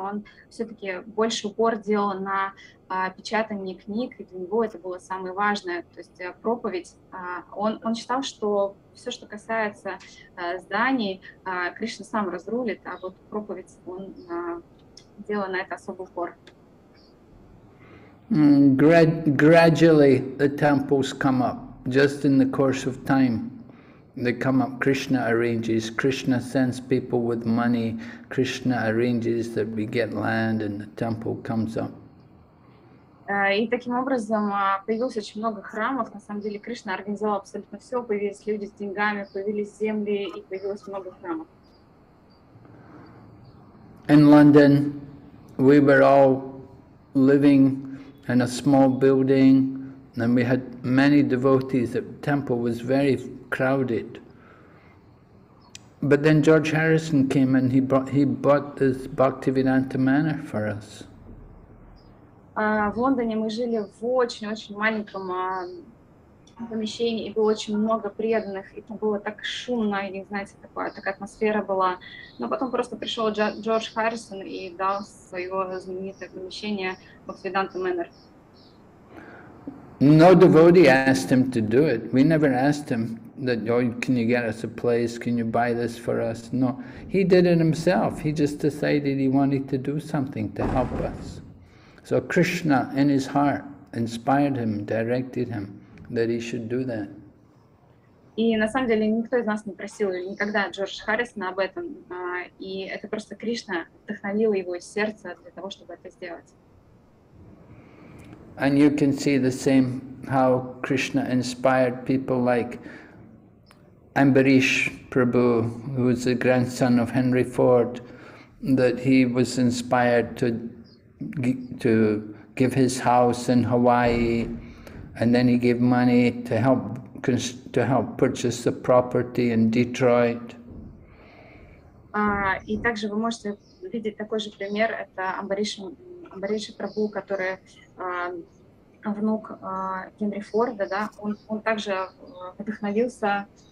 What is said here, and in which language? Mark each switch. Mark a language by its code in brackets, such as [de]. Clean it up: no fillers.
[ru] Он все-таки больше упор делал на печатание книг, и для него это было самое важное, то есть проповедь. Он считал, что все, что касается зданий, Кришна сам разрулит, а вот проповедь, он делал на это особый упор. [en] Gradually the temples come up, just in the course of time. They come up, Krishna arranges, Krishna sends people with money, Krishna arranges that we get land and the temple comes up. [ru] И таким образом появилось очень много храмов. На самом деле Кришна организовал абсолютно все, появились люди с деньгами, появились земли и появилось много храмов. [en] In London, we were all living in a small building. And we had many devotees. The temple was very crowded. But then George Harrison came and he bought this Bhaktivedanta Manor for us. [ru] В Лондоне мы жили в очень-очень маленьком помещении, и было очень много преданных, и там было так шумно, и, знаете, такая атмосфера была. Но потом просто пришел Джордж Харрисон и дал свое знаменитое помещение Bhaktivedanta Manor. [en] No devotee asked him to do it. We never asked him that, oh, can you get us a place? Can you buy this for us? No, he did it himself. He just decided he wanted to do something to help us. So Krishna, in his heart, inspired him, directed him that he should do that. [ru] И на самом деле никто из нас не просил никогда Джорджа Харрисона об этом. И это просто Кришна вдохновил его из сердца для того, чтобы это сделать. [en] And you can see the same how Krishna inspired people like Ambarish Prabhu, who is the grandson of Henry Ford, that he was inspired to give his house in Hawaii, and then he gave money to help purchase the property in Detroit. [ru] И также вы можете видеть такой же пример, это Ambarish Prabhu, который внук Генри Форда, да, он также вдохновился,